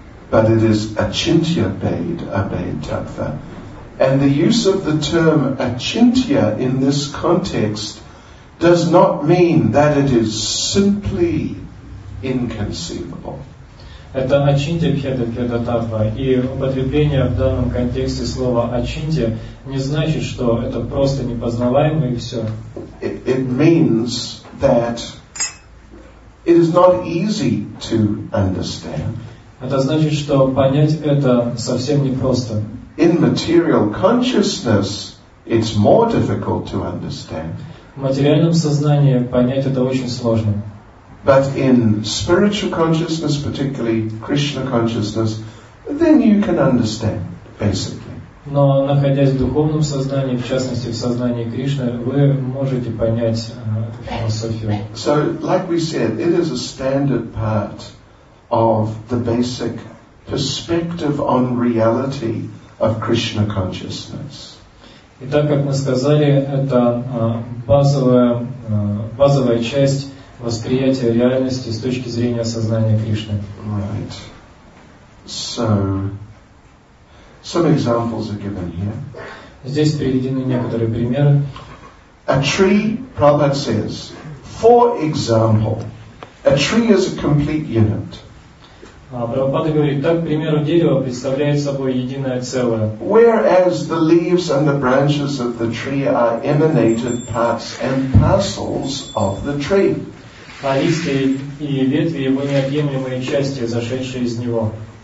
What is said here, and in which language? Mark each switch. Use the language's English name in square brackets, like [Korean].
[English] But it is achintya Veda Vedatva. And the use of the term achintya in this context does not mean that it is simply inconceivable. [Russian] Это очинтия пхеда пхедататва. И употребление в данном контексте слова очинтия не значит, что это просто непознаваемо и все. [English] It means that it is not easy to understand. [Russian] Это значит, что понять это совсем непросто. [English] In material consciousness, it's more difficult to understand. [Russian] В материальном сознании понять это очень сложно. [English] But in spiritual consciousness, particularly Krishna consciousness, then you can understand, basically. [Russian] Но находясь в духовном сознании, в частности в сознании Кришны, вы можете понять философию. [English] So, like we said, it is a standard part of the basic perspective on reality of Krishna consciousness. [Russian] И так, как мы сказали, это базовая часть восприятия реальности с точки зрения сознания Кришны. [English] Right. So, some examples are given here. [Russian] Здесь приведены некоторые примеры. [English] A tree, Prabhupada says, for example, a tree is a complete unit. [Russian] Прабхупада говорит, так, к примеру, дерево представляет собой единое целое. [English] Whereas the leaves and the branches of the tree are emanated parts and parcels of the tree. [Russian] А листья и ветви его неотъемлемые части, зашедшие из него.